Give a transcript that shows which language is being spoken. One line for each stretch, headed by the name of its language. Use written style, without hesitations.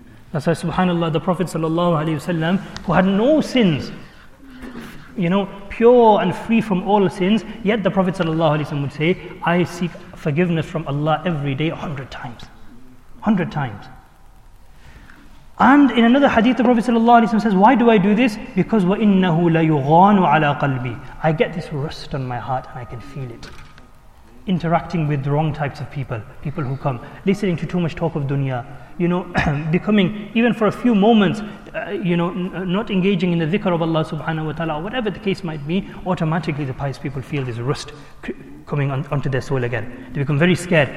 English: That's why subhanAllah, the Prophet sallallahu alaihi wasallam, who had no sins, you know, pure and free from all sins, yet the Prophet sallallahu alaihi wasallam would say, I seek forgiveness from Allah every day 100 times. 100 times. And in another hadith, the Prophet sallallahu alaihi wasallam says, why do I do this? Because
Arabic: وَإِنَّهُ لَيُغَانُ عَلَى قَلْبِي.
English: I get this rust on my heart and I can feel it. Interacting with the wrong types of people who come, listening to too much talk of dunya, you know, becoming, even for a few moments, not engaging in the dhikr of Allah subhanahu wa ta'ala, whatever the case might be, automatically the pious people feel this rust coming onto their soul again. They become very scared.